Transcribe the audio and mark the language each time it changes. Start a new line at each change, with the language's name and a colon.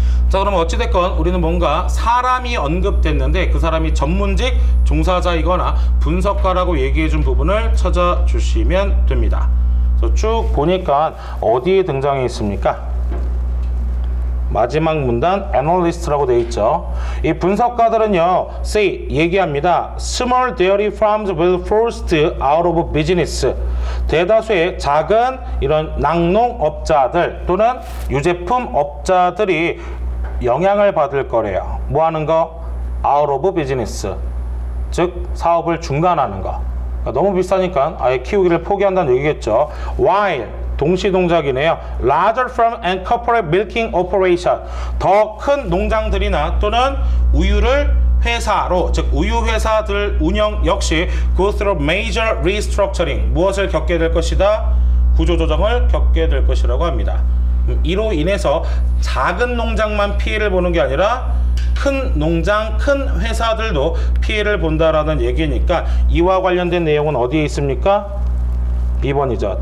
Korean: 자, 그럼 어찌됐건 우리는 뭔가 사람이 언급됐는데 그 사람이 전문직 종사자이거나 분석가라고 얘기해 준 부분을 찾아주시면 됩니다. 그래서 쭉 보니까 어디에 등장해 있습니까? 마지막 문단 애널리스트라고 되어 있죠. 이 분석가들은요, say 얘기합니다.
English: Small dairy farms will forced out of business.
Korean: 대다수의 작은 이런 낙농업자들 또는 유제품 업자들이 영향을 받을 거래요. 뭐 하는 거?
English: Out of business.
Korean: 즉 사업을 중단하는 거. 그러니까 너무 비싸니까 아예 키우기를 포기한다는 얘기겠죠. While 동시동작이네요.
English: Larger farm and corporate milking operation.
Korean: 더 큰 농장들이나 또는 우유를 회사로, 즉 우유회사들 운영 역시
English: go through major restructuring.
Korean: 무엇을 겪게 될 것이다? 구조조정을 겪게 될 것이라고 합니다. 이로 인해서 작은 농장만 피해를 보는 게 아니라 큰 농장, 큰 회사들도 피해를 본다라는 얘기니까 이와 관련된 내용은 어디에 있습니까? 2번이죠.